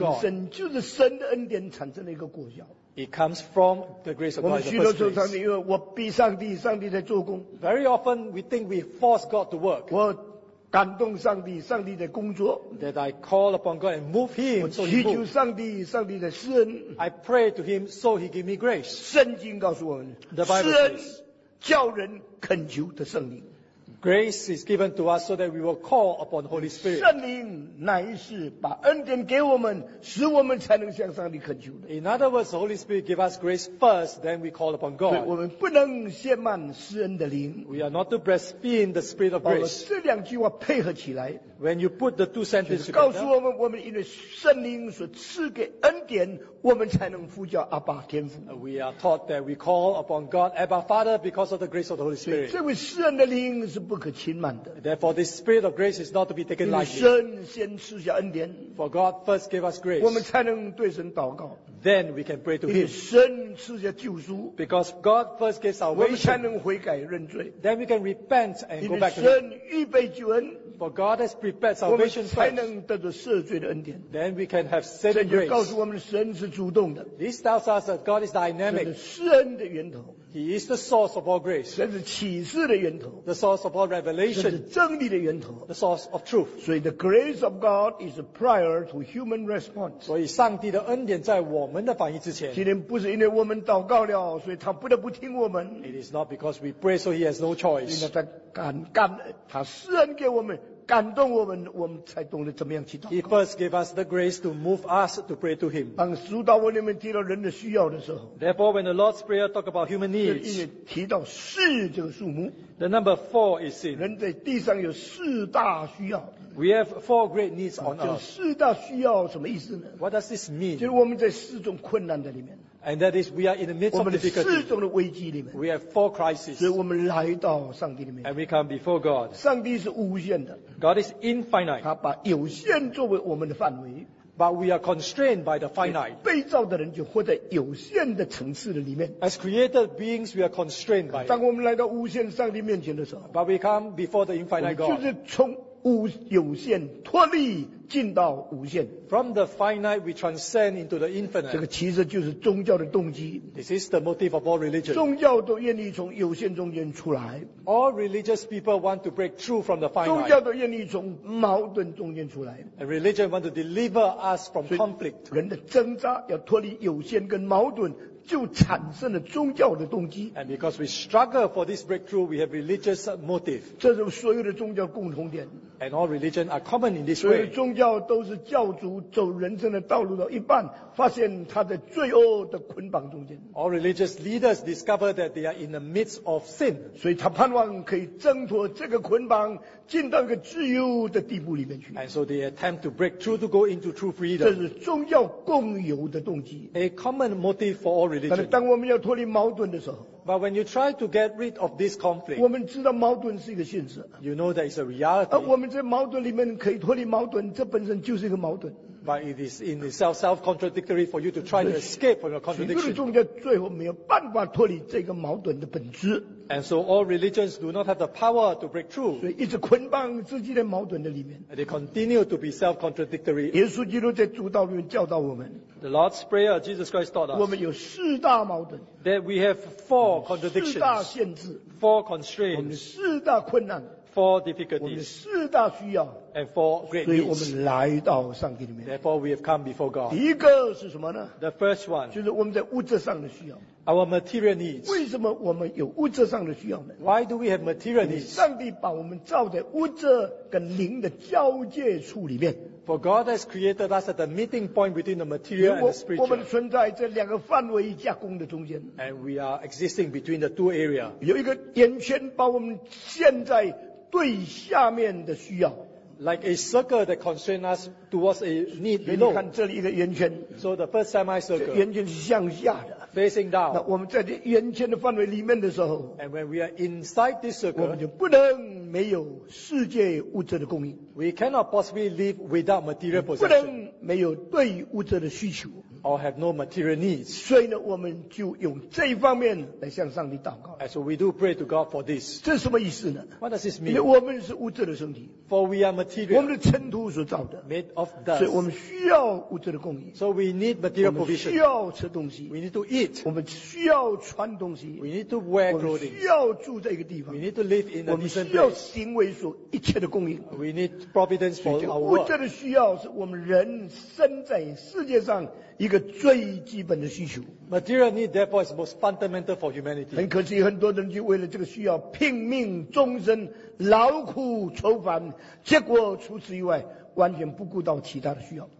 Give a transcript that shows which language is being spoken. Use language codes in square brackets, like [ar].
[zh] 本身就是神的恩典产生了一个果效. [en] It comes from the grace of God in the first place. [zh] 我逼上帝, 上帝在做工. [en] Very often we think we force God to work. [zh] 感动上帝, 上帝在工作, [en] that I call upon God and move Him. [zh] 我祈求上帝, 上帝在施恩, [en] I pray to Him so He give me grace. [zh] 圣经告诉我们, [en] the Bible says, [zh] 施恩叫人恳求的圣灵, [en] grace is given to us so that we will call upon the Holy Spirit. [zh] 圣灵乃是把恩典给我们, 使我们才能向上帝恳求的。 [en] In other words, the Holy Spirit gives us grace first, then we call upon God. [zh] 所以我们不能亵慢施恩的灵。 [en] We are not to blaspheme the Spirit of grace. [zh] 这两句话配合起来, [en] when you put the two sentences together, [zh] 告诉我们, 我们因为圣灵所赐给恩典, 我们才能呼叫阿爸天父。 [en] We are taught that we call upon God, Abba Father, because of the grace of the Holy Spirit. [zh] 这位施恩的灵 是不可轻慢的, [en] Therefore, this spirit of grace is not to be taken lightly. [zh] 神先赐下恩典, [en] For God first gave us grace. [zh] 我们才能对神祷告, [en] then we can pray to Him. [zh] 神赐下救赎, [en] because God first gave salvation. [zh] 我们才能悔改认罪, [en] then we can repent and go back to Him. [zh] 神预备救恩, [en] For God has prepared salvation first. [zh] 我们才能得到赦罪的恩典, [en] then we can have saving grace. [zh] 告诉我们神是主动的, [en] this tells us that God is dynamic. [zh] 神是施恩的源头, [en] He is the source of all grace. [zh] 神是启示的源头。 [en] The source of all revelation. [zh] 神是真理的源头。 [en] The source of truth. [zh] 所以 [en] the grace of God is prior to human response. [zh] 所以上帝的恩典在我们的反应之前。今天不是因为我们祷告了，所以他不得不听我们。 [en] It is not because we pray, so he has no choice. [zh] 因为他感恩，他施恩给我们。感动我们，我们才懂得怎么样去祷告。 [en] He first gave us the grace to move us to pray to Him. [zh] 当主祷告里面提到人的需要的时候 [en] ，Therefore, when the Lord's prayer talk about human needs, [zh] 是因为提到四这个数目。 [en] The number four is sin. [zh] 人在地上有四大需要。 [en] We have four great needs on earth. [zh] 这四大需要什么意思呢 [en] ？What does this mean? [zh] 就是我们在四种困难的里面。 [en] And that is, we are in the midst of difficulty. [zh] 我们四种的危机里面。 [en] We have four crises. [zh] 所以我们来到上帝里面。 [en] And we come before God. [zh] 上帝是无限的。 [en] God is infinite. [zh] 他把有限作为我们的范围。 [en] But we are constrained by the finite. [zh] 被造的人就活在有限的层次的里面。 [en] As created beings, we are constrained by. [zh] 当我们来到无限上帝面前的时候。 [en] But we come before the infinite God. [zh] 就是从有限脱离进到无限 [en] From the finite we transcend into the infinite [zh] 这个其实就是宗教的动机 [en] This is the motive of all religion [zh] 宗教都愿意从有限中间出来 [en] All religious people want to break through from the finite [zh] 宗教都愿意从矛盾中间出来 [en] And religion want to deliver us from conflict [zh] 人的挣扎要脱离有限跟矛盾就产生了宗教的动机。 [en] And because we struggle for this breakthrough, we have religious motive. [zh] 这是所有的宗教共同点。 [en] And all religion are common in this way. [zh] 所有宗教都是教主走人生的道路到一半，发现他在罪恶的捆绑中间。 [en] All religious leaders discover that they are in the midst of sin. [zh] 所以他盼望可以挣脱这个捆绑，进到一个自由的地步里面去。 [en] And so they attempt to break through to go into true freedom. [zh] 这是宗教共有的动机。 [en] A common motive for all [zh] 但是当我们要脱离矛盾的时候 [en] But when you try to get rid of this conflict, [zh] 我们知道矛盾是一个现实 [en] You know that it's a reality [zh] 而我们在矛盾里面可以脱离矛盾这本身就是一个矛盾 [en] But it is in itself self-contradictory for you to try to escape from your contradiction [zh] 所以宗教最后没有办法脱离这个矛盾的本质 [en] And so all religions do not have the power to break through [zh] 所以一直捆绑自己的矛盾的里面 [en] And they continue to be self-contradictory [zh] 耶稣基督在主道里面教导我们 [en] The Lord's Prayer, Jesus Christ taught us. [zh] 我们有四大矛盾。 [en] That we have four contradictions. [zh] 四大限制。 [en] Four constraints. [zh] 我们四大困难。 [en] Four difficulties. [zh] 我们四大需要。 [en] And four great needs. [zh] 所以我们来到上帝里面。 [en] Therefore we have come before God. [zh] 第一个是什么呢 [en] ？The first one. [zh] 就是我们在物质上的需要。 [en] Our material needs. [zh] 为什么我们有物质上的需要呢 [en] ？Why do we have material needs? [zh] 上帝把我们造在物质跟灵的交界处里面。 [en] For God has created us at the meeting point between the material and the spiritual. [zh] 我们存在这两个范围架构的中间。 [en] And we are existing between the two areas. [zh] 有一个圆圈把我们现在对下面的需要。 [en] Like a circle that constrains us towards a need below. [zh] 你看这里一个圆圈。 [en] So the first semicircle. [zh] 圆圈是向下的。 [en] Facing down. [zh] 那我们在这圆圈的范围里面的时候。 [en] And when we are inside this circle. [zh] 我们就不能没有世界物质的供应。 [en] We cannot possibly live without material possession. [zh] 不能没有对物质的需求。 [en] Or have no material needs. [zh] 所以呢我们就用这一方面来向上帝祷告。 [en] And so we do pray to God for this. [zh] 这是什么意思呢 [en] ?What does this mean? [zh] 因为我们是物质的身体。 [en] For we are material. [zh] 我们的尘土所造的。 [en] Made of dust. [zh] 所以我们需要物质的供应。 [en] So we need material provision. [zh] 我们需要吃东西。 [en] We need to eat. [zh] 我们需要穿东西。 [en] We need to wear clothing. [zh] 我们需要住在一个地方。 [en] We need to live in a decent place. [zh] 我们需要行为所一切的供应。 [en] We need providence for our work. [zh] 物质的需要是我们人生在世界上一个最基本的需求。 [en] Material need, therefore, is most fundamental for humanity. [zh] 很可惜，很多人就为了这个需要拼命、终身、劳苦愁烦，结果除此以外，完全不顾到其他的需要。